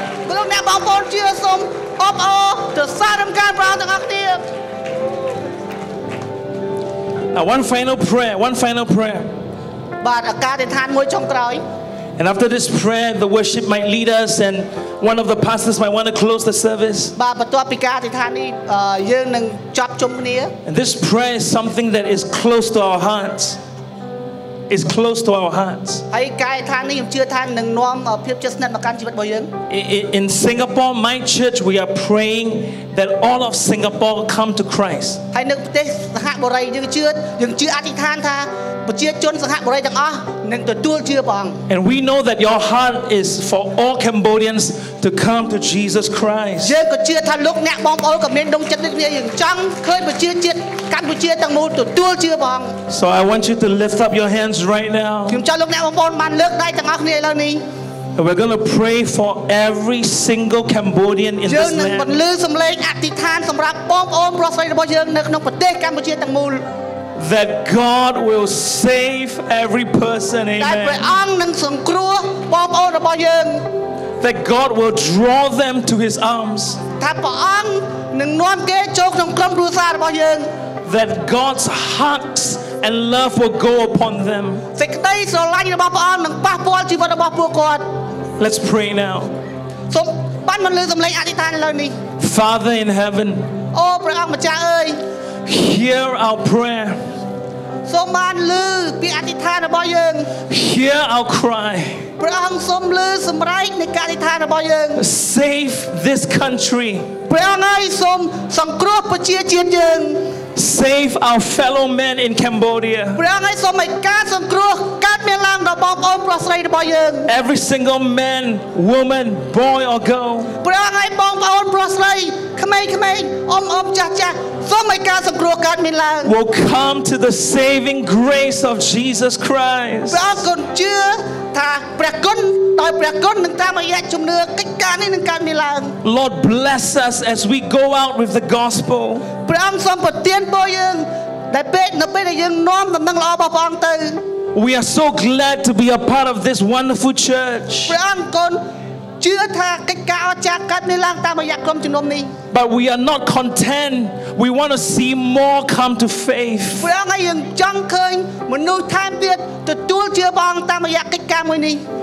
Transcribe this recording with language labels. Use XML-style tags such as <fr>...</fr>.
<km>បងប្អូនជឿសូមអបអរទៅសរសើរកាន់ប្រាងទាំងអស់គ្នា</km> <en>Now, one final prayer, one final prayer.</en> <km>But ការអធិដ្ឋានមួយចុងក្រោយ</km> <en>And after this prayer, the worship might lead us and one of the pastors might want to close the service.</en> <km>បាទបន្ទាប់ពីការអធិដ្ឋាននេះយើងនឹងចប់ជុំគ្នា</km> <en>And this prayer is something that is close to our hearts. Is close to our hearts.</en> <km>ហើយការអធិដ្ឋាននេះខ្ញុំជឿថានឹងនាំភាពជិតស្និទ្ធមកកាន់ជីវិតរបស់យើង</km> <en>In Singapore, my church, we are praying that all of Singapore come to Christ.</en> <km>ហើយនៅប្រទេសសហបុរីយើងជឿអធិដ្ឋានថា ប្រជាជនសហបុរីទាំងអស់នឹងទទួលជឿព្រះអង្គ</km> <en>And we know that your heart is for all Cambodians to come to Jesus Christ</en> <km>យើងក៏ជឿថាលោកអ្នកបងប្អូនក៏មានដងចិត្តដូចគ្នាយើងចង់ឃើញប្រជាជាតិកម្ពុជាទាំងមូលទទួលជឿព្រះអង្គ</km> <en>So I want you to lift up your hands right now</en> <km>ខ្ញុំចង់លោកអ្នកបងប្អូនបានលើកដៃទាំងអស់គ្នាឥឡូវនេះ</km> <en>We're going to pray for every single Cambodian in this land.</en> <km>យើងបានលើកសំឡេងអធិដ្ឋានសម្រាប់បងប្អូនប្រុសស្រីរបស់យើងនៅក្នុងប្រទេសកម្ពុជាទាំងមូល</km> <en>That God will save every person in</en> <km>there. ដែលព្រះអង្គនឹងសង្គ្រោះបងប្អូនរបស់យើង</km> <en>That God will draw them to his arms.</en> <km>ថាព្រះអង្គនឹងនាំគេចូលក្នុងក្រុមគ្រួសាររបស់យើង</km> <en>That God's heart and love will go upon them.</en> <km>សេចក្តីស្រឡាញ់របស់ព្រះអង្គនឹងប៉ះពាល់ជីវិតរបស់ពួកគាត់</km> <en>Let's pray now.</en> <km>សូមបានមកលើសំឡេងអធិដ្ឋានឥឡូវនេះ</km> <en>Father in heaven.</en> <km>អូព្រះអម្ចាស់អើយ</km> <en>Hear our prayer.</en> <km>សូមបានលើពាក្យអធិដ្ឋានរបស់យើង</km> <en>Hear our cry.</en> <km>ព្រះអម្ចាស់សូមលើសម្រែកនៃការអធិដ្ឋានរបស់យើង</km> <en>Save this country.</en> <km>ព្រះអម្ចាស់សូមសង្គ្រោះប្រជាជាតិយើង</km> <en>Save our fellow men in Cambodia.</en> <km>ព្រះអម្ចាស់សូមឲ្យការសង្គ្រោះមានឡើងដល់បងប្អូនប្រុសស្រីរបស់យើង</km> <en>Every single man, woman, boy or girl</en> <km>ព្រះអង្គឲ្យបងប្អូនប្រុសស្រីក្មេងៗអ៊ំអ៊ំចាស់ចាស់សូមឲ្យការសង្គ្រោះកើតមានឡើង</km> <en>We'll come to the saving grace of Jesus Christ</en> <km>ព្រះអង្គជឿថាព្រះគុណដោយព្រះគុណនឹងតាមរយៈជំនឿកិច្ចការនេះនឹងកើតមានឡើង</km> <en>Lord bless us as we go out with the gospel</en> <km>ព្រះអង្គសូមប្រទានពរយើងដែលពេលនៅពេលដែលយើងនាំដំណឹងល្អរបស់ព្រះអង្គទៅ</km> <en>We are so glad to be a part of this wonderful church.</en> <km>ព្រះអង្គជឿថាកិច្ចការអស្ចារ្យកើតមានឡើងតាមរយៈក្រុមជំនុំនេះ</km> <en>But we are not content. We want to see more come to faith.</en> <km>ព្រះអង្គយើងចង់ឃើញមនុស្សថែមទៀតទទួលជឿព្រះអង្គតាមរយៈកិច្ចការមួយនេះ</km>